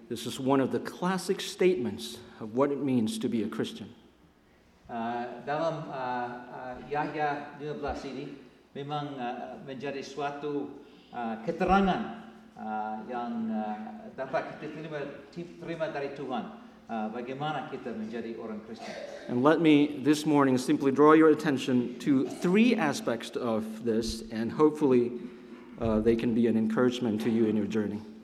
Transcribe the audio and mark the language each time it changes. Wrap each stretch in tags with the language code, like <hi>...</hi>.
<en>This is one of the classic statements of what it means to be a Christian.</en> <id>Dalam Yahya 15 ini memang menjadi suatu keterangan yang dapat kita terima dari Tuhan bagaimana kita menjadi orang Kristen.</id> <en>And let me this morning simply draw your attention to three aspects of this, and hopefully they can be an encouragement to you in your journey.</en>